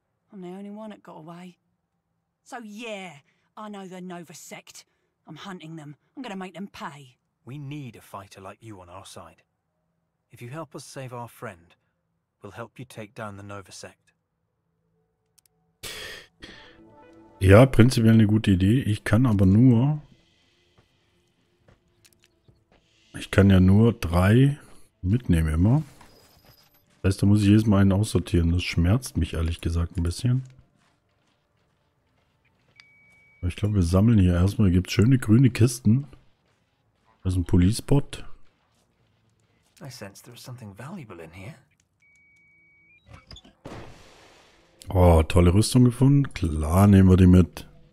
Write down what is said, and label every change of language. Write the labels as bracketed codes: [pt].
[en] I'm the only one that got away. So yeah, I know the Nova Sect. I'm hunting them. I'm gonna make them pay. We need a fighter like you on our side. If you help us save our friend, we'll help you take down the Nova Sect. [de] Ja, prinzipiell eine gute Idee. Ich kann aber nur... Ich kann ja nur drei mitnehmen immer. Das heißt, da muss ich jedes Mal einen aussortieren. Das schmerzt mich ehrlich gesagt ein bisschen. Aber ich glaube, wir sammeln hier erstmal. Hier gibt es schöne grüne Kisten. Da ist ein Police Bot. [en] I sense there's something valuable in here. [de] Oh, tolle Rüstung gefunden. Klar, nehmen wir die mit.